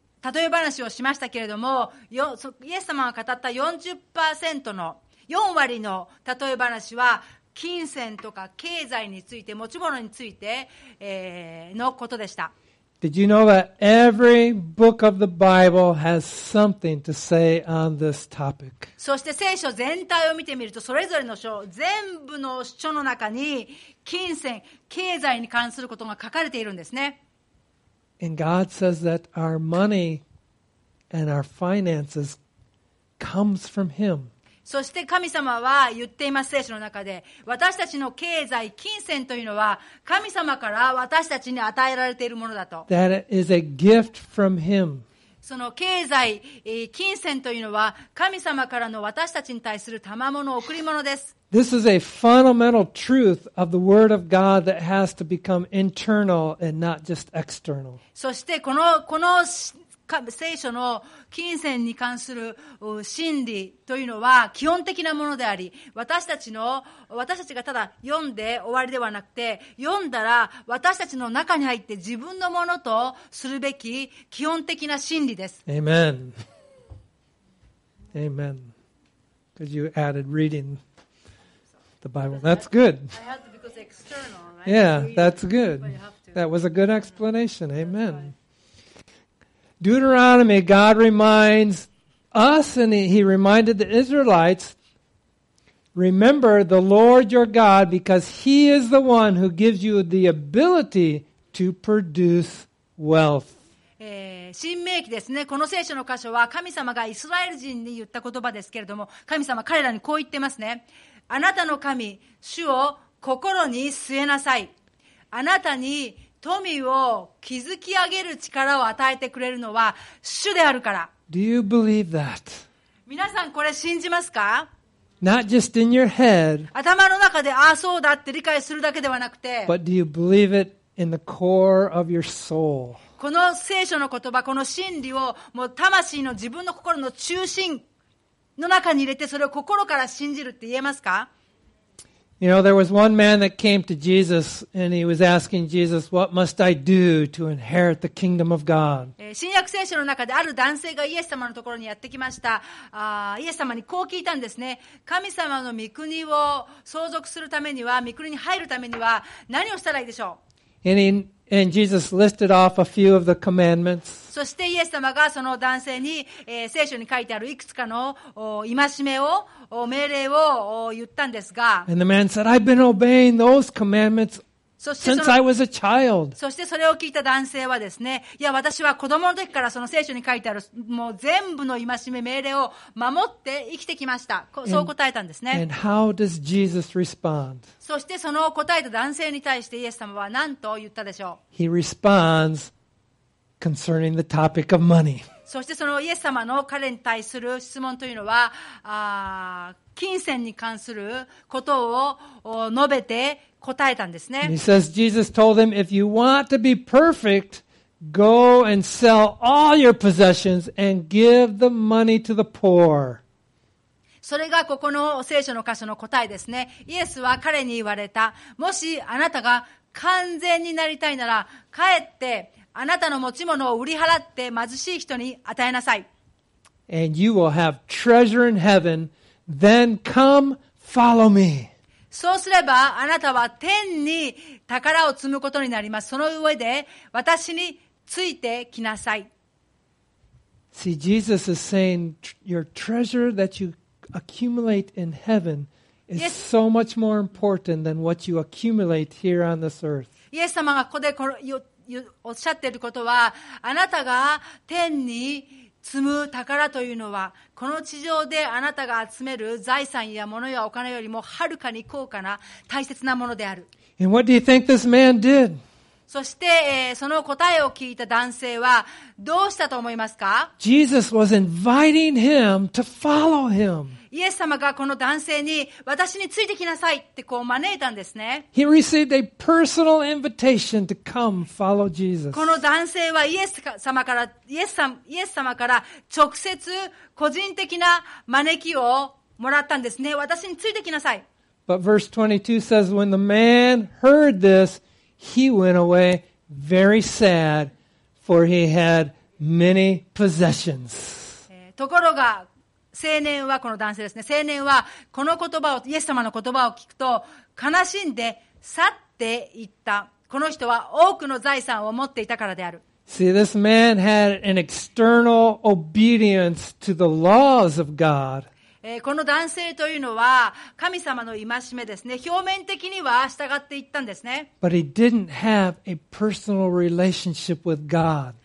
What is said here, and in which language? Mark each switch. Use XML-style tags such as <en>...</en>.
<ja>例え話をしましたけれども、イエス様が語った 40% の4割の例え話は金銭とか経済について、持ち物についてのことでした。</ja> <en>Did you know that every book of the Bible has something to say on this topic?</en> <ja>そして聖書全体を見てみると、それぞれの書、全部の書の中に金銭、経済に関することが書かれているんですね。</ja> <en>And God says that our money and our finances comes from Him.</en> <ja>そして神様は言っています、聖書の中で、私たちの経済、金銭というのは神様から私たちに与えられているものだと。</ja> <en>That is a gift from Him.</en> <ja>その経済、金銭というのは神様からの私たちに対する賜物、贈り物です。</ja> <en>This is a fundamental truth of the Word of God that has to become internal and not just external.</en> <ja>そしてこの聖書の金銭に関する真理というのは基本的なものであり、私たちがただ読んで終わりではなくて、読んだら私たちの中に入って自分のものとするべき基本的な真理です。</ja> <en>Amen. Amen. Because you added reading the Bible. That's good. I had to because external. Yeah, that's good. That was a good explanation. Amen. Deuteronomy, God reminds us, and He reminded the Israelites, remember the Lord your God, because He is the one who gives you the ability to produce wealth.</en> <ja>新明記ですね。この聖書の箇所は神様がイスラエル人に言った言葉ですけれども、神様彼らにこう言ってますね。あなたの神、主を心に据えなさい。あなたに富を築き上げる力を与えてくれるのは主であるから。</ja> <en>Do you believe that?</en> <ja>皆さんこれ信じますか?</ja> <en>Not just in your head,</en> <ja>頭の中でああそうだって理解するだけではなくて、</ja> <en>But do you believe it in the core of your soul?</en> <ja>この聖書の言葉、この真理をもう魂の自分の心の中心の中に入れて、それを心から信じるって言えますか?</ja> <en>You know, there was one man that came to Jesus and he was asking Jesus, what must I do to inherit the kingdom of God?</en> <ja>新約聖書の中である男性がイエス様のところにやってきました。イエス様にこう聞いたんですね。神様の御国を相続するためには、御国に入るためには何をしたらいいでしょう?</ja> <en>And Jesus listed off a few of the commandments.</en> <ja>そしてイエス様がその男性に、聖書に書いてあるいくつかの戒めを命令を言ったんですが、</ja> <en>And the man said, I've been obeying those commandments since I was a child.</en> <ja>そしてそれを聞いた男性はですね、いや私は子供の時からその聖書に書いてあるもう全部の戒め命令を守って生きてきました。そう答えたんですね。</ja> <en>And how does Jesus respond?</en> <ja>そしてその答えた男性に対してイエス様は何と言ったでしょう?</ja> <en>He responds concerning the topic of money.</en> <ja>そしてそのイエス様の彼に対する質問というのは、金銭に関することを述べて答えたんですね。</ja> <en>He says, Jesus told them, if you want to be perfect, go and sell all your possessions and give the money to the poor.</en> <ja>それがここの聖書の箇所の答えですね。イエスは彼に言われた。もしあなたが完全になりたいなら、かえってあなたの持ち物を売り払って貧しい人に与えなさい。</ja> <en>And you will have treasure in heaven. Then come, follow me.</en> <ja>そうすればあなたは天に宝を積むことになります。その上で私についてきなさい。</ja> <en>See, Jesus is saying your treasure that you accumulate in heaven is so much more important than what you accumulate here on this earth.</en> <ja>イエス様がここでおっしゃっていることは、あなたが天に積む宝というのは、この地上であなたが集める財産や物やお金よりもはるかに高価な大切なものである。</ja> <en>And what do you think this man did?</en> <ja>そして、その答えを聞いた男性はどうしたと思いますか?</ja> <en>Jesus was inviting him to follow him.</en> <ja>イエス様がこの男性に私についてきなさいってこう招いたんですね。</ja> <en>He received a personal invitation to come follow Jesus.</en> <ja>この男性はイエス様から直接個人的な招きをもらったんですね。私についてきなさい。</ja> <en>But verse 22 says, when the man heard this, he went away very sad, for he had many possessions.</en> <ja>ところが青年はこの男性ですね。青年はこの言葉をイエス様の言葉を聞くと悲しんで去っていった。この人は多くの財産を持っていたからである。</ja> <en>See, this man had an external obedience to the laws of God.</en> <ja>この男性というのは神様の戒めですね。表面的には従っていったんですね。</ja> <en>But he didn't have a personal relationship with God.</en>